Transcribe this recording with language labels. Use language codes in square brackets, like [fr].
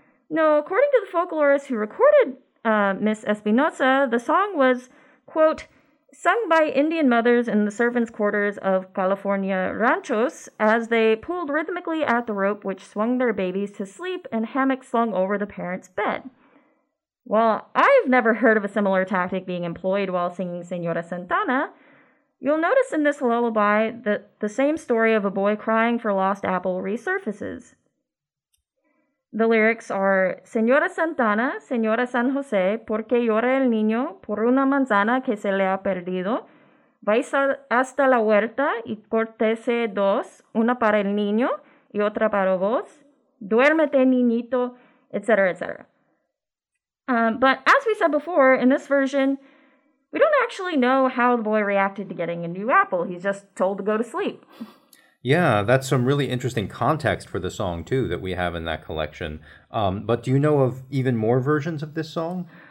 [en] No, according to the folklorist who recorded Miss Espinosa, the song was, quote, sung by Indian mothers in the servants' quarters of California ranchos as they pulled rhythmically at the rope which swung their babies to sleep and hammocks slung over the parents' bed. While I've never heard of a similar tactic being employed while singing Señora Santana, you'll notice in this lullaby that the same story of a boy crying for lost apple resurfaces. The lyrics are, [es] Señora Santana, Señora San José, ¿por qué llora el niño por una manzana que se le ha perdido? Vais hasta la huerta y cortese dos, una para el niño y otra para vos. Duérmete, niñito, etc., etc. [en] But as we said before, in this version, we don't actually know how the boy reacted to getting a new apple. He's just told to go to sleep. Yeah, that's some really interesting context for the song, too, that we have in that collection. But do you know of even more versions of this song?